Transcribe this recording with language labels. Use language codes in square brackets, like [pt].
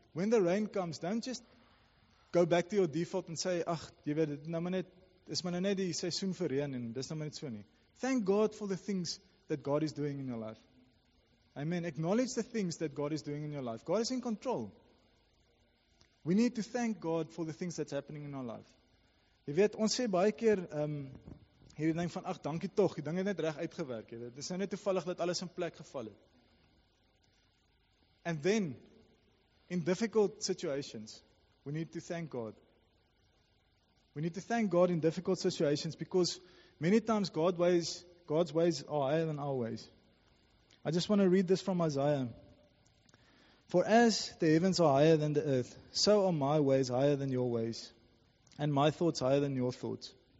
[en] When the rain comes, don't just go back to your default and say, [af] ach, you weet het, nou net, is maar net die seisoen vir reën, en dis nou net so nie. [en] Thank God for the things that God is doing in your life. Amen. Acknowledge the things that God is doing in your life. God is in control. We need to thank God for the things that's happening in our life. [af] Jy weet, ons sê baie keer hierdie ding van, ach, dankie toch, die ding het net reg uitgewerk. Jy weet, dis nou net toevallig dat alles in plek geval het. [en] And then, in difficult situations, we need to thank God. We need to thank God in difficult situations because many times God's ways are higher than our ways. I just want to read this from Isaiah. For as the heavens are higher than the earth, so are my ways higher than your ways, and my thoughts higher than your thoughts.